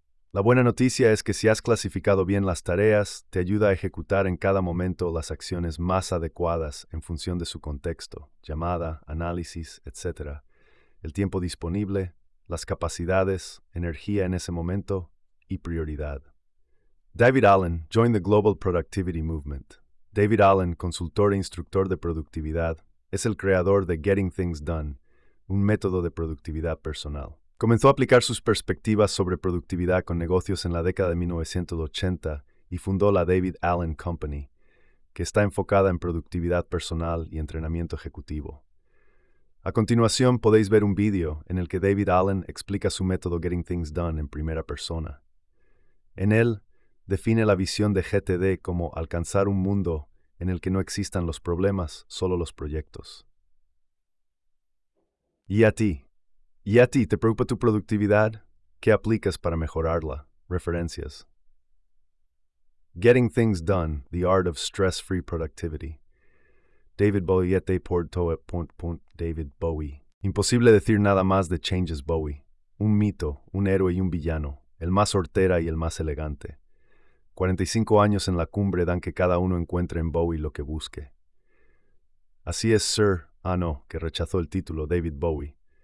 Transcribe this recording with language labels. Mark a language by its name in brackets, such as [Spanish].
[Spanish] La buena noticia es que si has clasificado bien las tareas, te ayuda a ejecutar en cada momento las acciones más adecuadas en función de su contexto, llamada, análisis, etc. El tiempo disponible, las capacidades, energía en ese momento y prioridad. [English] David Allen joined the Global Productivity Movement. [Spanish] David Allen, consultor e instructor de productividad, es el creador de Getting Things Done, un método de productividad personal. Comenzó a aplicar sus perspectivas sobre productividad con negocios en la década de 1980 y fundó la David Allen Company, que está enfocada en productividad personal y entrenamiento ejecutivo. A continuación, podéis ver un vídeo en el que David Allen explica su método Getting Things Done en primera persona. En él, define la visión de GTD como alcanzar un mundo en el que no existan los problemas, solo los proyectos. ¿Y a ti? ¿Y a ti te preocupa tu productividad? ¿Qué aplicas para mejorarla? Referencias. [English] Getting Things Done, The Art of Stress-Free Productivity. David Boyette Portoe Point Point David Bowie. [Spanish] Imposible decir nada más de Changes Bowie. Un mito, un héroe y un villano. El más hortera y el más elegante. 45 años en la cumbre dan que cada uno encuentre en Bowie lo que busque. Así es Sir, que rechazó el título, David Bowie.